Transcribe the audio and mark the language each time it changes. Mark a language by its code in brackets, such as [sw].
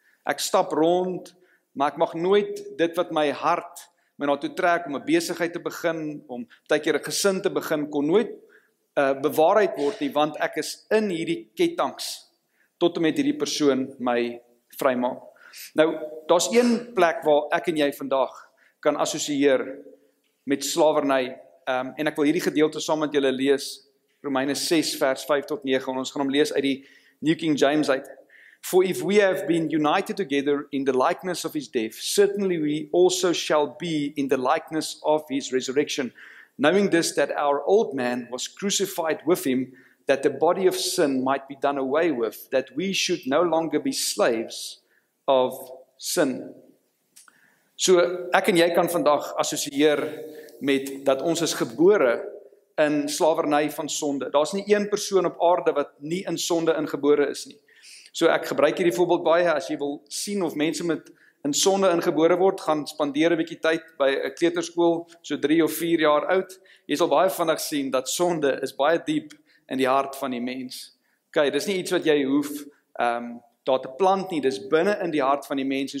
[af] Ek stap rond, maar ek mag nooit dit wat my hart my na toe trek om 'n besigheid te begin, om tydkeer 'n gesin te begin, kon nooit bewaarheid word nie, want ek is in hierdie ketangs tot en met hierdie persoon my vrymaak. Nou, daar's een plek waar ek en jy vandag kan assosieer met slawerny, en ek wil hierdie gedeelte saam met julle lees, Romeine 6 vers 5 tot 9, en ons gaan hom lees uit die New King James uit. [en] For if we have been united together in the likeness of his death, certainly we also shall be in the likeness of his resurrection, knowing this, that our old man was crucified with him, that the body of sin might be done away with, that we should no longer be slaves of sin. [af] So ek en jy kan vandag assosieer met dat ons is gebore in slawerny van sonde. Daar's nie een persoon op aarde wat nie in sonde ingebore is nie. So ek gebruik hierdie voorbeeld baie, as jy wil sien of mense met in sonde ingebore word, gaan spandeer 'n bietjie tyd by 'n kleuterskool, so 3 of 4 jaar oud, jy sal baie vinnig sien dat sonde is baie diep in die hart van die mens. OK, dis nie iets wat jy hoef daar te plant nie, dis binne in die hart van die mens.